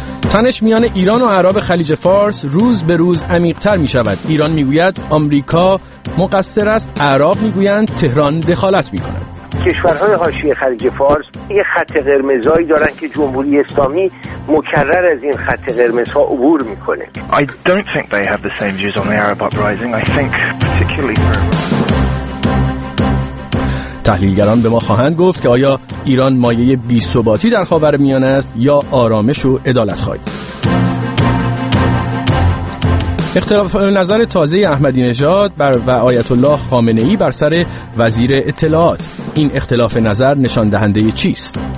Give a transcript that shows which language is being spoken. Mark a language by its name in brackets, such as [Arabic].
[Persian] تنش میان ایران و عرب خلیج فارس روز به روز عمیق‌تر می‌شود. ایران می‌گوید آمریکا مقصر است، عرب می‌گویند تهران دخالت می‌کند. کشورهای حاشیه خلیج فارس یه خط قرمزایی دارن که جمهوری اسلامی مکرر از این خط قرمزها عبور می‌کنه. [English] I don't think they have the same views on the Arab uprising. I think particularly for... [Persian] تحلیلگران به ما خواهند گفت که آیا ایران مایه بی‌ثباتی در خاورمیانه است یا آرامش و عدالت خواهی. اختلاف نظر تازه احمدی نژاد و آیت الله خامنه‌ای بر سر وزیر اطلاعات، این اختلاف نظر نشان دهنده چیست؟